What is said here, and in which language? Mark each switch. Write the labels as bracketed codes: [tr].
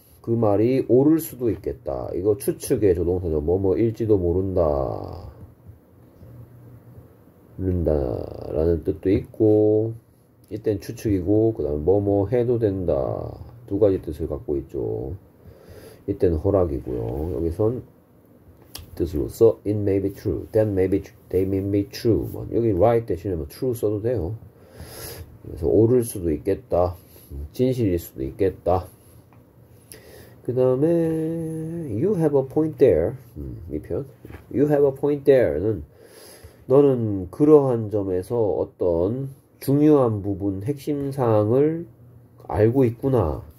[ko] 그 말이 옳을 수도 있겠다. 이거 추측의 조동사죠. 뭐뭐일지도 모른다. 모른다라는 뜻도 있고, 이땐 추측이고, 그 다음에 뭐뭐 해도 된다. 두 가지 뜻을 갖고 있죠. 이땐 허락이고요. 여기선, 뜻으로써 [en] it may be true, that may be, they may be true. [ko] 뭐 여기 right 대신에 뭐 true 써도 돼요. 그래서 옳을 수도 있겠다, 진실일 수도 있겠다. 그 다음에 [en] you have a point there. [ko] 이 표현, you have a point there는 너는 그러한 점에서 어떤 중요한 부분, 핵심 사항을 알고 있구나.